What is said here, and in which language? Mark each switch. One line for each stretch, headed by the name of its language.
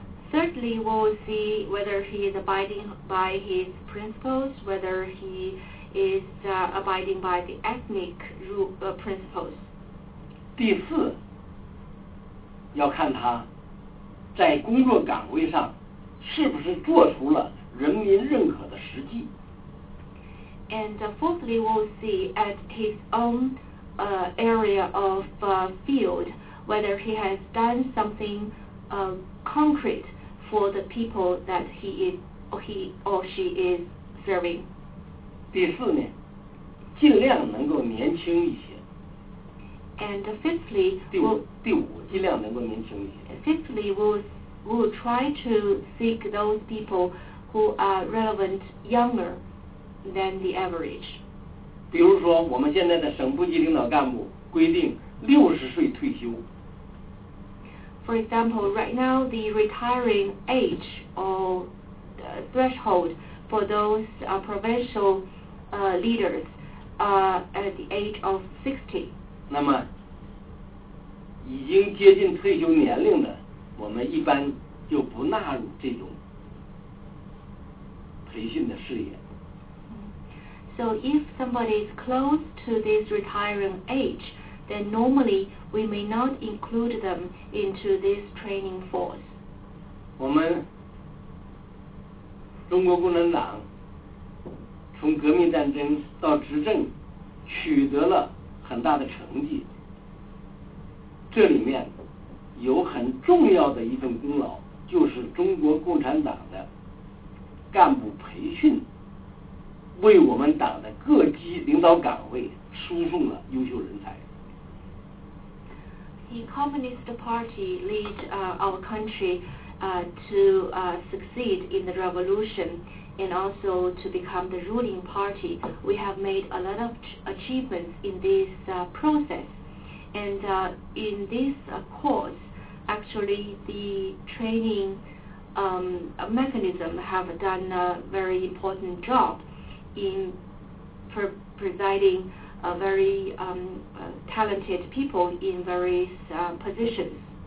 English: Thirdly, we'll see whether he is abiding by his principles, whether he is abiding by the ethnic principles.
Chinese: 第四，要看他在工作岗位上是不是做出了人民认可的实际。
English: And fourthly, we'll see at his own area of field whether he has done something concrete for the people that he or she is serving.
Chinese: 第四呢，尽量能够年轻一些。
English: And fifthly,
Chinese: 第五，尽量能够年轻一些。
English: Fifthly, we'll try to seek those people who are relevant younger than the average.
Chinese: 比如说，我们现在的省部级领导干部规定60岁退休。
English: For example, right now the retiring age or threshold for those provincial leaders are at the age of 60.
Chinese: 那么，已经接近退休年龄的，我们一般就不纳入这种培训的视野。
English: So if somebody is close to this retiring age, then normally we may not include them into this training force.
Chinese: 我们中国共产党从革命战争到执政取得了很大的成绩，这里面有很重要的一份功劳，就是中国共产党的干部培训为我们党的各级领导岗位输送了优秀人才。
English: The Communist Party led our country to succeed in the revolution and also to become the ruling party. We have made a lot of achievements in this process. And in this course, actually the training mechanism have done a very important job in presiding very talented people in various positions.